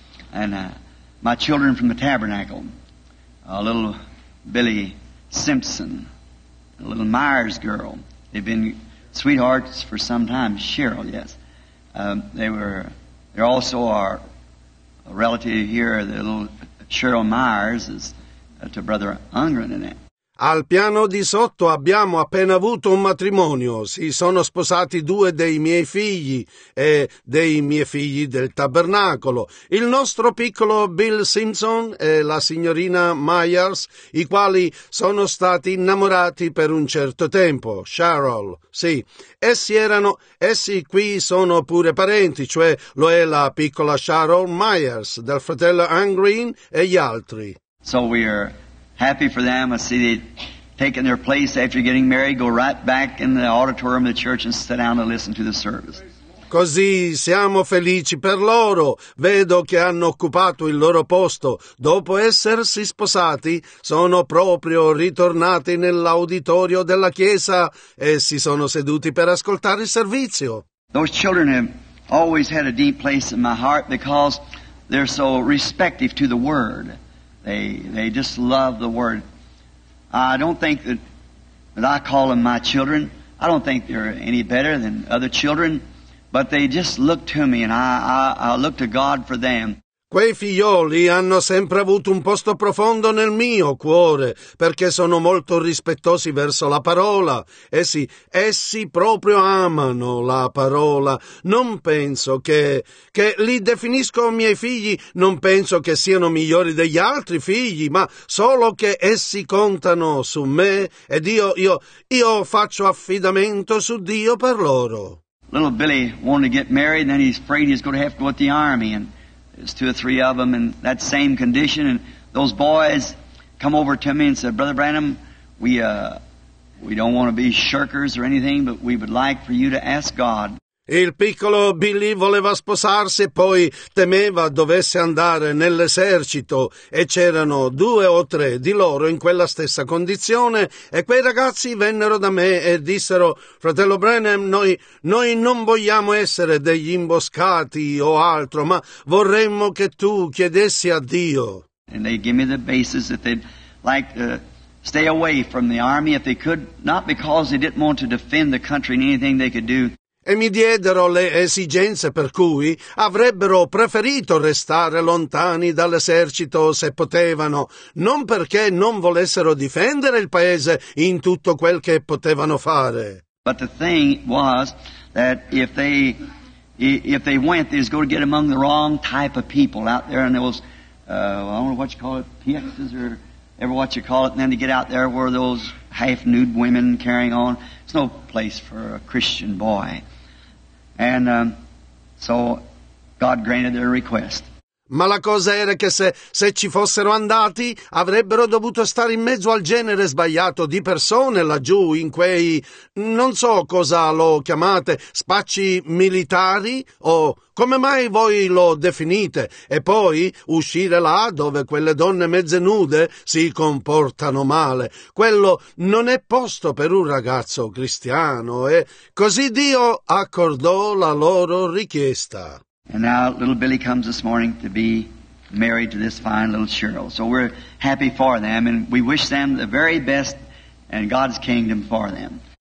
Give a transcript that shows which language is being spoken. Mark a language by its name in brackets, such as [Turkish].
[English] And my children from the tabernacle, a little Billy Simpson, a little Myers girl. They've been sweethearts for some time. Cheryl, yes. They're also our relative here, the little Cheryl Myers is to Brother Ungren in it. [Italian] Al piano di sotto abbiamo appena avuto un matrimonio. Si sono sposati due dei miei figli e dei miei figli del tabernacolo. Il nostro piccolo Bill Simpson e la signorina Myers, i quali sono stati innamorati per un certo tempo. Cheryl, sì. Essi qui sono pure parenti, cioè lo è la piccola Cheryl Myers, del fratello Ann Green e gli altri. [English] So we are happy for them. I see they've taken their place after getting married, go right back in the auditorium of the church and sit down and listen to the service. [Italian] Così siamo felici per loro. Vedo che hanno occupato il loro posto. Dopo essersi sposati, sono proprio ritornati nell'auditorio della chiesa e si sono seduti per ascoltare il servizio. [English] Those children have always had a deep place in my heart because they're so respective to the Word. They just love the Word. I don't think that I call them my children. I don't think they're any better than other children, but they just look to me, and I look to God for them. [Italian] Quei figlioli hanno sempre avuto un posto profondo nel mio cuore, perché sono molto rispettosi verso la parola. Essi proprio amano la parola. Non penso che li definisco miei figli, non penso che siano migliori degli altri figli, ma solo che essi contano su me ed io faccio affidamento su Dio per loro. [English] Little Billy wanted to get married and he's afraid he's going to have to go with the army and there's two or three of them in that same condition, and those boys come over to me and said, Brother Branham, we don't want to be shirkers or anything, but we would like for you to ask God. [Italian] Il piccolo Billy voleva sposarsi e poi temeva dovesse andare nell'esercito e c'erano due o tre di loro in quella stessa condizione e quei ragazzi vennero da me e dissero, fratello Branham, noi non vogliamo essere degli imboscati o altro, ma vorremmo che tu chiedessi a Dio. [English] And they give me the basis that they'd like to stay away from the army if they could, not because they didn't want to defend the country in anything they could do. [Italian] E mi diedero le esigenze per cui avrebbero preferito restare lontani dall'esercito se potevano, non perché non volessero difendere il paese in tutto quel che potevano fare. [English] But the thing was that if they went, they was going to get among the wrong type of people out there, and there was I don't know what you call it, PXs or ever what you call it, and then to get out there where those half nude women carrying on, it's no place for a Christian boy. And so God granted their request. [Italian] Ma la cosa era che se ci fossero andati, avrebbero dovuto stare in mezzo al genere sbagliato di persone laggiù in quei, non so cosa lo chiamate, spacci militari o come mai voi lo definite, e poi uscire là dove quelle donne mezze nude si comportano male. Quello non è posto per un ragazzo cristiano, e così Dio accordò la loro richiesta. [English] And now little Billy comes this morning to be married to this fine little Cheryl. So we're happy for them and we wish them the very best and God's kingdom for them.